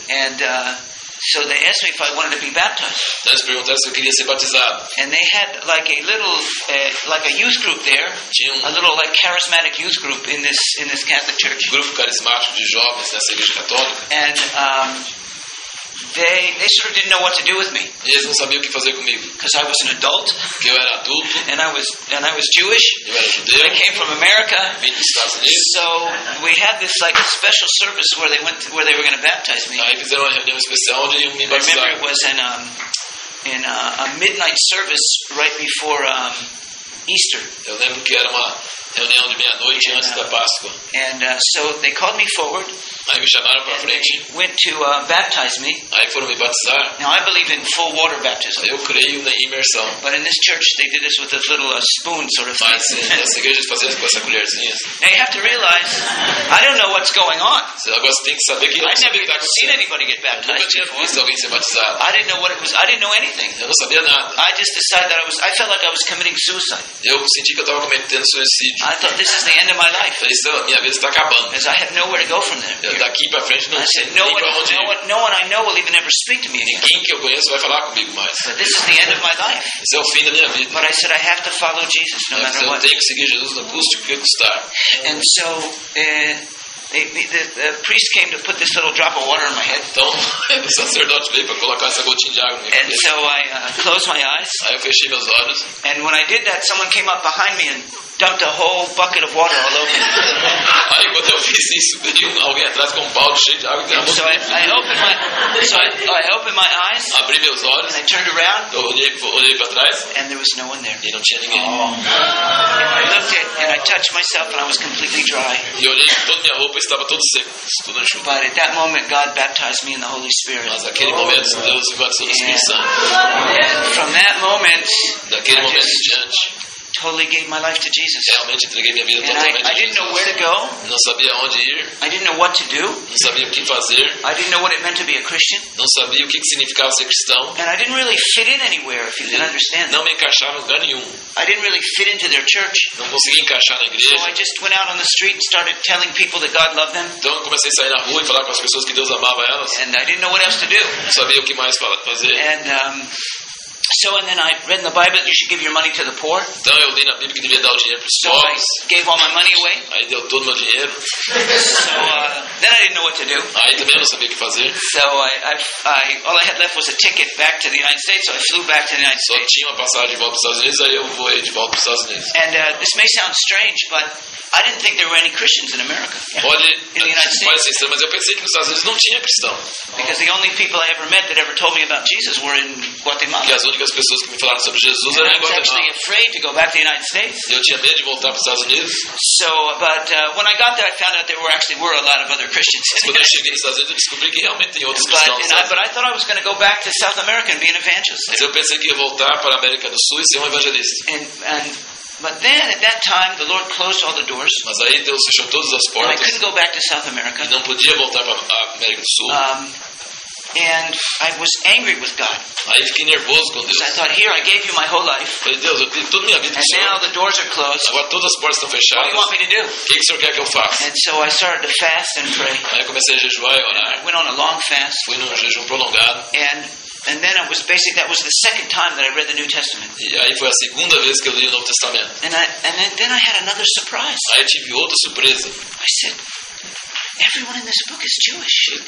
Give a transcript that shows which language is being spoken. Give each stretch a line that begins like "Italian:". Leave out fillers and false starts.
English: And so they asked me if I wanted to be baptized.
Portuguese: Eles perguntaram se eu queria ser batizado.
English: And they had like a little, like a youth group there.
Portuguese: Tinha
English: a little like charismatic youth group in this Catholic church.
Portuguese: Um grupo carismático de jovens nessa igreja católica.
English: And they sort of didn't know what to do with me.
Portuguese: Eles não sabiam o que fazer comigo.
English: Because I was an adult.
Portuguese: Que eu era adulto.
English: And I was Jewish.
Portuguese: Eu era judeu.
English: I came from America.
Portuguese: Vim dos Estados Unidos.
English: So we had this like special service where they were going to baptize me.
Portuguese: Aí fizeram uma reunião especial onde iam me batizar.
English: I remember it was in a midnight service right before Easter.
Portuguese: Eu lembro que era uma reunião de meia-noite antes da Páscoa.
English: And so they called me forward.
Portuguese: Aí me chamaram para frente.
English: Went to baptize me.
Portuguese: Aí foram me batizar.
English: Now I believe in full water baptism.
Portuguese: Eu creio na imersão.
English: But in this church they did this with this little spoon sort of
Portuguese: thing. Mas nessa igreja eles faziam com essa colherzinha.
English: Now you have to realize I don't know what's going on.
Portuguese: Agora tem que saber que eu
English: I've never seen anybody get baptized.
Portuguese: Eu nunca tinha visto alguém ser batizado.
English: I didn't know what it was. I didn't know anything.
Portuguese: Eu não sabia nada.
English: I just decided that I felt like I was committing suicide.
Portuguese: Eu senti que eu estava cometendo suicídio.
English: I thought this is the end of my life.
Portuguese: Isso, minha vida está acabando.
English: Because I have nowhere to go from there.
Portuguese: Daqui para frente não tem para onde ir.
English: No one I know will even ever speak to me again.
Portuguese: Ninguém que eu conheço vai falar comigo mais.
English: But this is the end of my life.
Portuguese: Esse é o fim da minha vida.
English: But I said I have to follow Jesus no matter what.
Portuguese: Eu tenho que seguir Jesus no custo que custar.
English: And so the priest came to put this little drop of water in my head.
Portuguese: Então, o sacerdote veio para colocar essa gotinha de água na minha
English: cabeça. And so I closed my eyes.
Portuguese: Aí eu fechei meus olhos.
English: And when I did that, someone came up behind me and dumped a whole bucket of water all over me.
Portuguese: Aí quando eu fiz isso, veio alguém atrás com um balde cheio de água.
English: So I opened my eyes.
Portuguese: Abri meus olhos.
English: And I turned around.
Portuguese: Olhei para trás.
English: And there was no one there.
Portuguese: E não tinha ninguém. Oh.
English: I looked at and I touched myself and I was completely dry.
Portuguese: E olhei toda minha roupa estava todo seco, tudo enxuto.
English: But at that moment, God baptized me in the Holy Spirit.
Portuguese: Mas naquele momento, Deus me batizou no Espírito Santo.
English: From that moment,
Portuguese: daquele momento em diante,
English: totally gave my life to Jesus.
Portuguese: Realmente entreguei minha vida totalmente a Jesus.
English: I didn't know where to go.
Portuguese: Não sabia onde ir.
English: I didn't know what to do.
Portuguese: Não sabia o que fazer.
English: I didn't know what it meant to be a Christian.
Portuguese: Não sabia o que significava ser cristão.
English: And I didn't really fit in anywhere, if you can understand.
Portuguese: Não me encaixava em lugar nenhum.
English: I didn't really fit into their church.
Portuguese: Não conseguia encaixar na igreja.
English: So I just went out on the street and started telling people that God loved them.
Portuguese: Então comecei a sair na rua e falar com as pessoas que Deus amava elas.
English: And I didn't know what else to do.
Portuguese: Não sabia o que mais fazer.
English: And So and then I read in the Bible that you should give your money to the poor.
Portuguese: Então eu li na Bíblia que devia dar o dinheiro para os
English: so
Portuguese: pobres.
English: I gave all my money away.
Portuguese: Aí deu todo o meu dinheiro.
English: So then I didn't know what to do.
Portuguese: Aí também não sabia o que fazer.
English: So I all I had left was a ticket back to the United States, so I flew back to the United States.
Portuguese: Só tinha uma passagem de volta para os Estados Unidos, aí eu voei de volta para os Estados Unidos.
English: And this may sound strange, but I didn't think there were any Christians in America.
Portuguese: Pode,
English: in the United States.
Portuguese: Pode ser estranho, mas eu pensei que nos Estados Unidos não tinha cristão.
English: Because the only people I ever met that ever told me about Jesus were in Guatemala.
Portuguese: E as únicas pessoas que me falaram sobre Jesus eram em Guatemala.
English: I was actually afraid to go back to the United States.
Portuguese: Eu tinha medo de voltar para os Estados Unidos.
English: So, but when I got there, I found out there were a lot of other Christians.
Portuguese: Mas quando eu cheguei nos Estados Unidos, eu descobri que realmente tem outros cristãos.
English: But I thought I was going to go back to South America and be an evangelist.
Portuguese: Mas eu pensei que ia voltar para a América do Sul e ser um evangelista.
English: But then, at that time, the Lord closed all the doors.
Portuguese: Mas aí Deus fechou todas as portas.
English: And I couldn't go back to South America.
Portuguese: E não podia voltar para a América do Sul.
English: And I was angry with God.
Portuguese: Aí fiquei nervoso com Deus.
English: I thought, here, I gave you my whole life.
Portuguese: Falei, Deus, eu dei toda minha vida.
English: And now the doors are closed.
Portuguese: Agora todas as portas estão fechadas.
English: What do you want me to do?
Portuguese: Que o Senhor quer que eu faça?
English: And so I started to fast and pray.
Portuguese: Aí eu comecei a jejuar e orar.
English: I went on a long fast.
Portuguese: Fui num jejum prolongado.
English: And then it was basically that was the second time that I read the New Testament.
Portuguese: E aí foi a segunda vez que eu li o Novo Testamento.
English: And then I had another surprise.
Portuguese: Aí tive outra surpresa.
English: I said, everyone in this book is Jewish.